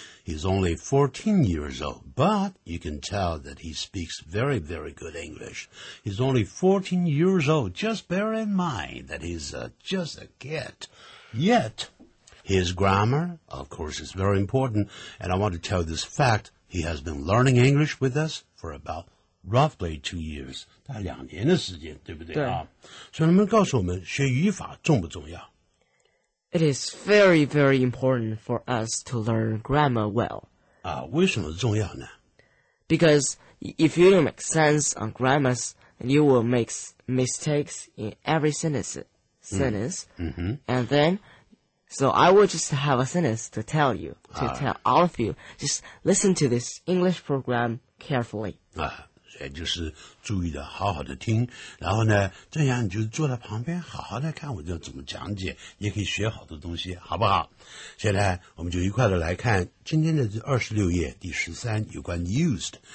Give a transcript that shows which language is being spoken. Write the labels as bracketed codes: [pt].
[en] He's only 14 years old, but you can tell that he speaks very, very good English. He's only 14 years old, just bear in mind that he's just a kid. Yet, his grammar, of course, is very important, and I want to tell this fact. He has been learning English with us for about roughly 2 years. [zh] 大概两年的时间，对不对？对。所以能不能告诉我们学语法重不重要？ [en] It is very, very important for us to learn grammar well. [zh] 为什么重要呢？ [en] Because if you don't make sense on grammars, you will make mistakes in every sentence. And then... So I will just have a sentence to tell you, to tell all of you. Just listen to this English program carefully. [zh] 也就是注意的好好的听。然后呢，这样你就坐在旁边好好的看我就怎么讲解，也可以学好多东西，好不好？现在我们就一块的来看今天的这26页第13有关 used。